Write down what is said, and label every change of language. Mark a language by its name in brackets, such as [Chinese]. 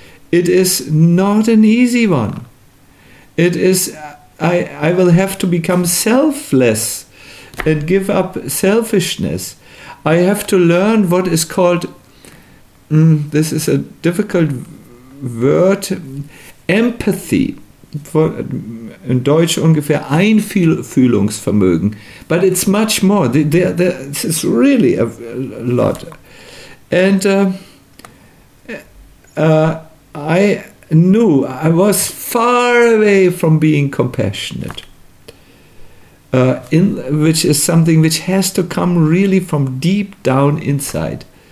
[English] It is not an easy one. It is, I will have to become selfless and give up selfishness. I have to learn what is called, this is a difficult word, empathy. [German] in Deutsch ungefähr Einfühlungsvermögen. [English] But it's much more. This is really a lot. And I knew I was far away from being compassionate. Which is something which has to come really from deep down inside.